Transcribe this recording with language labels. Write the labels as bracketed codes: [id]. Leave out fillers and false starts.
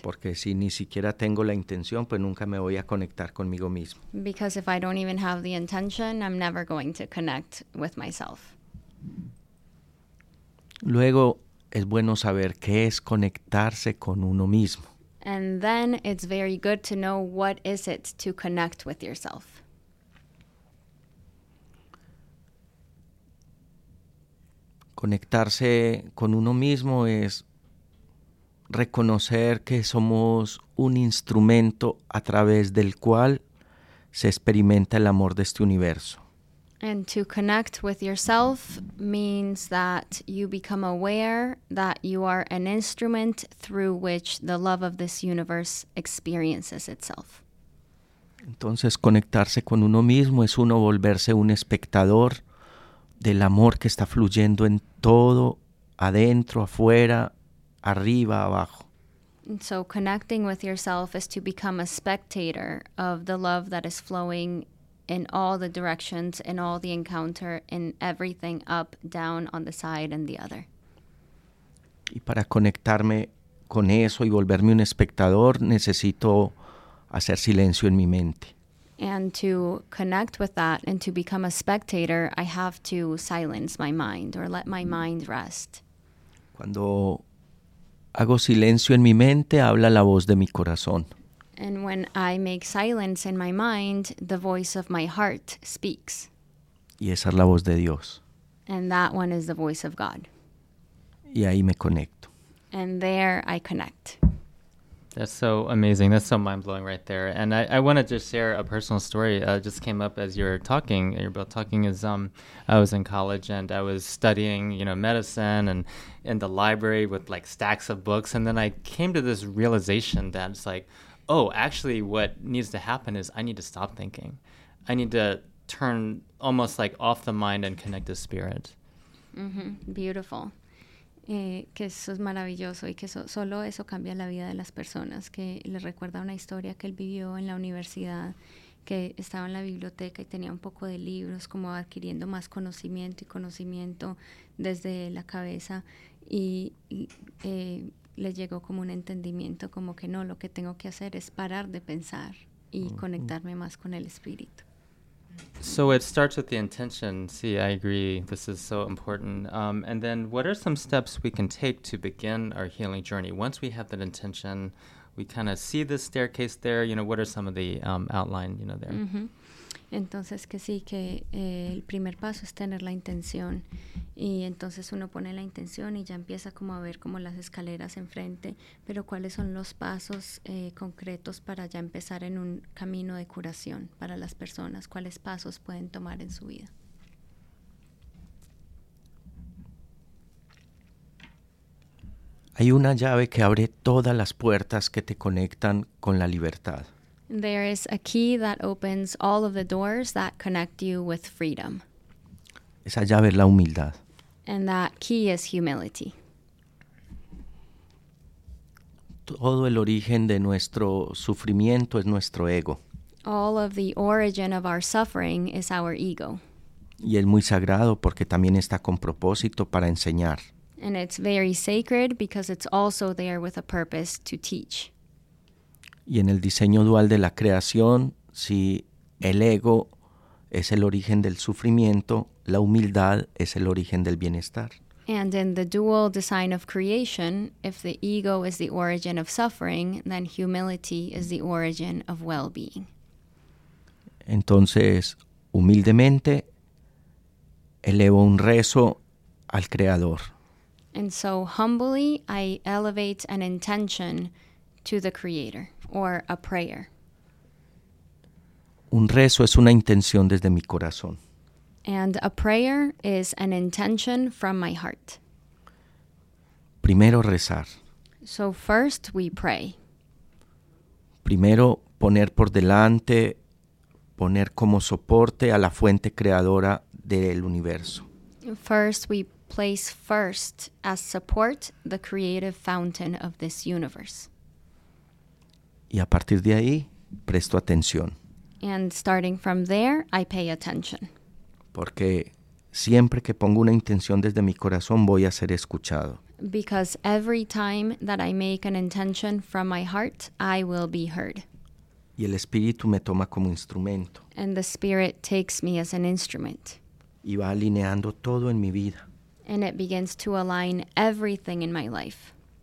[es] Porque si ni siquiera tengo la intención, pues nunca me voy a conectar conmigo mismo. [en] Because if I don't even have the intention, I'm never going to connect with myself. [es] Luego, es bueno saber qué es conectarse con uno mismo. [en] And then it's very good to know what is it to connect with yourself. [es] Conectarse con uno mismo es reconocer que somos un instrumento a través del cual se experimenta el amor de este universo. [en] And to connect with yourself means that you become aware that you are an instrument through which the love of this universe experiences itself. [es] Entonces, conectarse con uno mismo es uno volverse un espectador del amor que está fluyendo en todo, adentro, afuera, arriba, abajo. [en] And so connecting with yourself is to become a spectator of the love that is flowing in all the directions, in all the encounter, in everything up, down, on the side, and the other. [es] Y para conectarme con eso y volverme un espectador, necesito hacer silencio en mi mente. [en] And to connect with that and to become a spectator, I have to silence my mind or let my mind rest. [es] Cuando hago silencio en mi mente, habla la voz de mi corazón. [en] And when I make silence in my mind, the voice of my heart speaks. [es] Y esa es la voz de Dios. [en] And that one is the voice of God. [es] Y ahí me conecto. [en] And there I connect. That's so amazing. That's so mind-blowing right there. And I want to just share a personal story that just came up as you're both talking. I was in college and I was studying, you know, medicine and in the library with like stacks of books. And then I came to this realization that it's like, oh, actually what needs to happen is I need to stop thinking. I need to turn almost like off the mind and connect the spirit. Mm-hmm. Beautiful. [es] Que eso es maravilloso y que solo eso cambia la vida de las personas, que le recuerda una historia que él vivió en la universidad, que estaba en la biblioteca y tenía un poco de libros, como adquiriendo más conocimiento y conocimiento desde la cabeza, y le llegó como un entendimiento, como que no, lo que tengo que hacer es parar de pensar y conectarme más con el espíritu. [en] So it starts with the intention. See, I agree. This is so important. And then what are some steps we can take to begin our healing journey? Once we have that intention, we kind of see the staircase there. You know, what are some of the outline, you know, there? Mm-hmm. [es] Entonces, que sí, que el primer paso es tener la intención. Y entonces uno pone la intención y ya empieza como a ver como las escaleras enfrente. Pero ¿cuáles son los pasos concretos para ya empezar en un camino de curación para las personas? ¿Cuáles pasos pueden tomar en su vida? Hay una llave que abre todas las puertas que te conectan con la libertad. [en] There is a key that opens all of the doors that connect you with freedom. [es] Esa llave es la humildad. [en] And that key is humility. [es] Todo el origen de nuestro sufrimiento es nuestro ego. [en] All of the origin of our suffering is our ego. [es] Y es muy sagrado porque también está con propósito para enseñar. [en] And it's very sacred because it's also there with a purpose to teach. [es] Y en el diseño dual de la creación, si el ego es el origen del sufrimiento, la humildad es el origen del bienestar. [en] And in the dual design of creation, if the ego is the origin of suffering, then humility is the origin of well-being. [es] Entonces, humildemente, elevo un rezo al Creador. [en] And so, humbly, I elevate an intention to the Creator, or a prayer. [es] Un rezo es una intención desde mi corazón. [en] And a prayer is an intention from my heart. [es] Primero rezar. [en] So first we pray. [es] Primero poner por delante, poner como soporte a la fuente creadora del universo. [en] First we place first as support the creative fountain of this universe. [es] Y a partir de ahí, presto atención. [en] And starting from there, I pay attention. [es] Porque siempre que pongo una intención desde mi corazón, voy a ser escuchado. [en] Because every time that I make an intention from my heart, I will be heard. [es] Y el espíritu me toma como instrumento. [en] And the spirit takes me as an instrument. [es] Y va alineando todo en mi vida. [en] And it begins to align everything in my life.